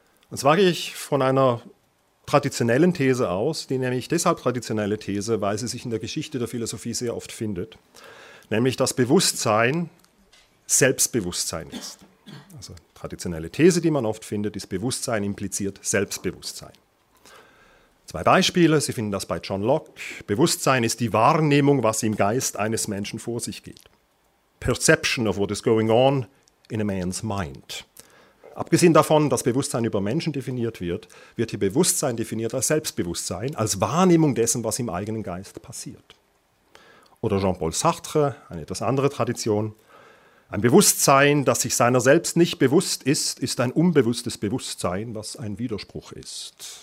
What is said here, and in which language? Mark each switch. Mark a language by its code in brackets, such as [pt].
[de] Und zwar gehe ich von einer traditionellen These aus, die nämlich deshalb traditionelle These, weil sie sich in der Geschichte der Philosophie sehr oft findet, nämlich dass Bewusstsein Selbstbewusstsein ist. Also traditionelle These, die man oft findet, ist, Bewusstsein impliziert Selbstbewusstsein. Zwei Beispiele, Sie finden das bei John Locke. Bewusstsein ist die Wahrnehmung, was im Geist eines Menschen vor sich geht. [en] Perception of what is going on in a man's mind. [de] Abgesehen davon, dass Bewusstsein über Menschen definiert wird, wird hier Bewusstsein definiert als Selbstbewusstsein, als Wahrnehmung dessen, was im eigenen Geist passiert. Oder Jean-Paul Sartre, eine etwas andere Tradition. Ein Bewusstsein, das sich seiner selbst nicht bewusst ist, ist ein unbewusstes Bewusstsein, was ein Widerspruch ist.